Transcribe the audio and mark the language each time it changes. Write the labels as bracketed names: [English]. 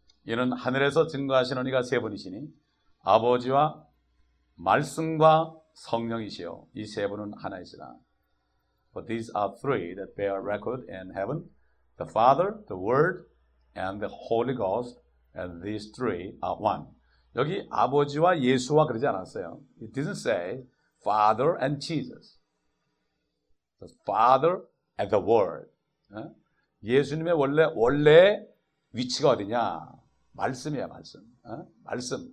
[Korean] 이는 하늘에서 증거하시는 이가 세 분이시니 아버지와 말씀과 성령이시요 이 세 분은 하나이시라. [English] But these are three that bear record in heaven. The Father, the Word, and the Holy Ghost, and these three are one. [Korean] 여기 아버지와 예수와 그러지 않았어요. [English] It didn't say Father and Jesus. The Father and the Word. [Korean] 예수님의 원래 위치가 어디냐? 말씀이야, 말씀. 말씀.